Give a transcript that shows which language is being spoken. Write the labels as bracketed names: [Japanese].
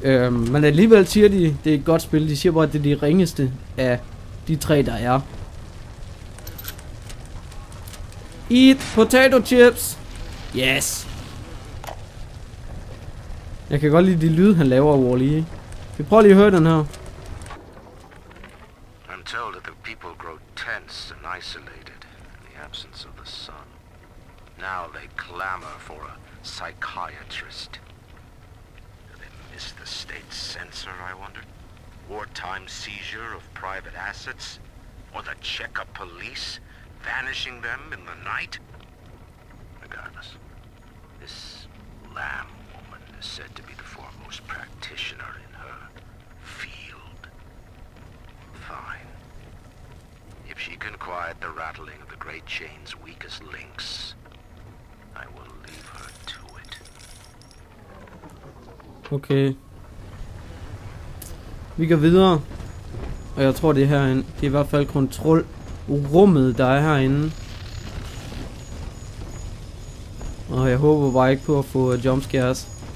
[Danish] Men alligevel siger de, det er et godt spil. De siger bare, at det er de ringeste af de tre, der er. [English] Eat potato chips! Yes! [Danish] Jeg kan godt lide de lyde, han laver over lige. Vi prøver lige at høre den her. [English] I'm told that the people grow tense and isolated in the absence of the sun. Now they clamor for a psychiatrist. Is the state censor, I wonder? Wartime seizure of private assets? Or the Cheka police vanishing them in the night? Regardless, this lamb woman is said to be the foremost practitioner in her field. Fine. If she can quiet the rattling of the Great Chain's weakest links, I will leave her to it. Okay. [Danish] Vi går videre, og jeg tror, det er herinde. Det er i hvert fald kontrolrummet, der er herinde. Og jeg håber bare ikke på at få jumpscares.